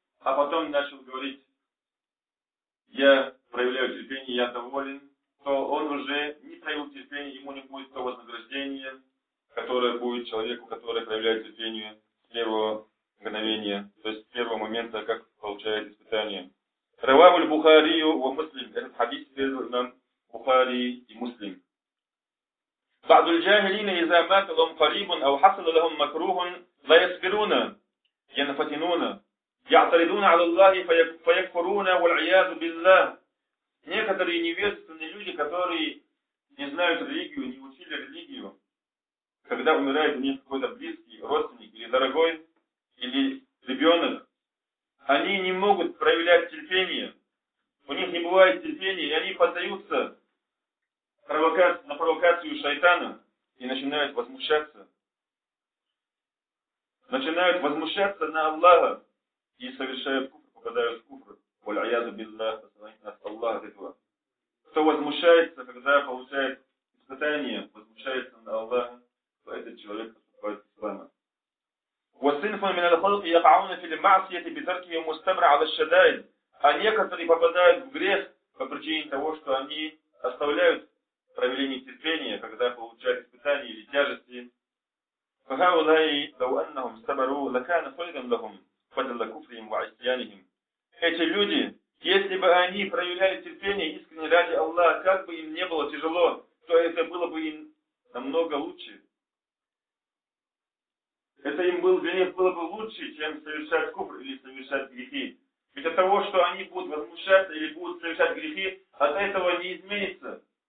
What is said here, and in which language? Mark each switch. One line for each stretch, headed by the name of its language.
Russian: А потом начал говорить, я проявляю терпение, я доволен, то он уже не проявил терпение, ему не будет то вознаграждение, которое будет человеку, который проявляет терпение с первого мгновения, то есть с первого момента, как получает испытание.
Arabic: Рававу Бухарию ва Муслим.
Russian: Этот хадис передал нам Бухари и Муслим.
Arabic: بعض الجاهلين إذا مات لهم قريب أو حصل لهم مكروه لا يصبرون ينفتنون يعترضون على الله فيكفرون والعياذ بالله.
Russian: Некоторые невежественные люди, которые не знают религию, не учили религию, когда умирает у них какой-то близкий, родственник или дорогой, или ребенок, они не могут проявлять терпение, у них не бывает терпения, и они поддаются на провокацию шайтана и начинают возмущаться. Начинают возмущаться на Аллаха и совершают куфр, попадают в куфр.
Arabic: Валь-Аязу Биллах,
Russian: остановите нас Аллах от этого. Кто возмущается, когда получает испытание, возмущается на Аллаха, то этот человек поступает в ислама.
Arabic: وصنف من الخلق يقعون في المعصية بتركهم مستمر على الشدائد.
Russian: А некоторые попадают в грех по причине того, что они оставляют проявление терпения, когда получают испытания или тяжести.
Arabic: فهؤلاء لو أنهم صبروا لكان خيرا لهم بدل كفرهم وعصيانهم.
Russian: Эти люди, если бы они проявляли терпение искренне ради Аллаха, как бы им не было тяжело, то это было бы им намного лучше. Это им было, для них было бы лучше, чем совершать куфр или совершать грехи. Ведь от того, что они будут возмущаться или будут совершать грехи, от этого не изменится.